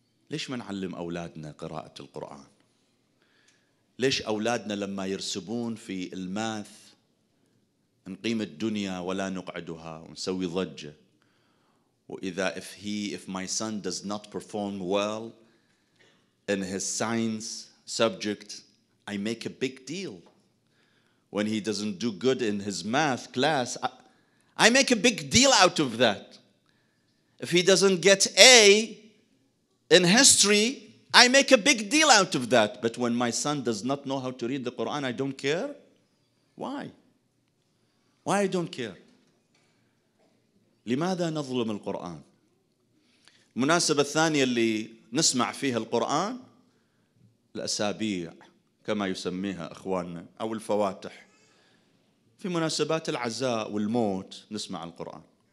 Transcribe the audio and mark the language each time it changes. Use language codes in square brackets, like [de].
[ar] ليش ما نعلم أولادنا قراءة القرآن؟ ليش أولادنا لما يرسبون في الماث نقيم الدنيا ولا نقعدها ونسوي ضجة؟ وإذا [en] if my son does not perform well in his science subject, [ar] I make a big deal. [en] When he doesn't do good in his math class, I make a big deal out of that. If he doesn't get A in history, I make a big deal out of that. But when my son does not know how to read the Quran, I don't care. Why? Why I don't care? [ar] لماذا نظلم القرآن؟ المناسبة الثانية اللي نسمع فيها القرآن الأسابيع كما يسميها أخواننا أو الفواتح، في مناسبات العزاء والموت نسمع القرآن.